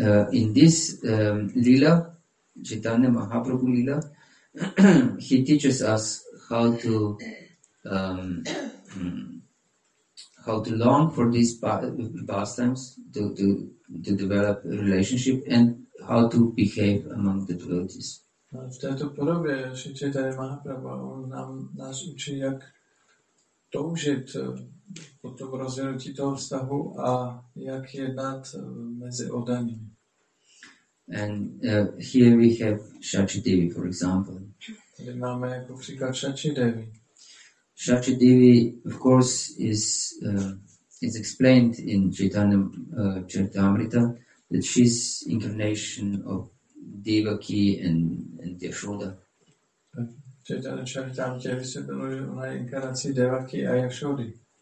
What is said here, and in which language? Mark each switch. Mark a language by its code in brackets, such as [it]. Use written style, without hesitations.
[en] In this lila, Chaitanya Mahaprabhu lila, he teaches us how to long for these pastimes to develop a relationship and how to behave among the devotees. [cs] V této podobě Sri Chaitanya Mahaprabhu nás učí, jak toužit po tom rozvinutí toho vztahu a jak jednat mezi oddanými. [en] And here we have Shachidevi, for example. [cs] Tady máme jako příklad Shachidevi. [en] Shachidevi, of course, is explained in Chaitanya Charitamrita that she's incarnation of Devaki and Yashoda. [cs] Chaitanya Charitamrita vysvětluje, že ona je inkarnací Devaki a Yashody.